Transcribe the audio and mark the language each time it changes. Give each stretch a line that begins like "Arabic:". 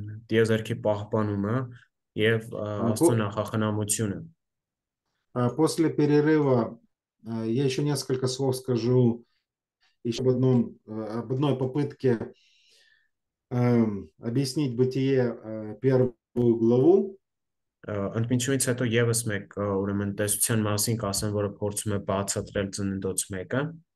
Armenian: Տիեզերքի պահպանումը եւ Աստծո նախախնամությունը։
Russian: После перерыва я еще несколько слов скажу еще об одной попытке объяснить бытие первую главу.
Armenian: Ընդմիջումից հետո եւս մեկ, ուրեմն, տեսության մասին կասեմ, որը փորձում է բացատրել ծննդոց մեկը։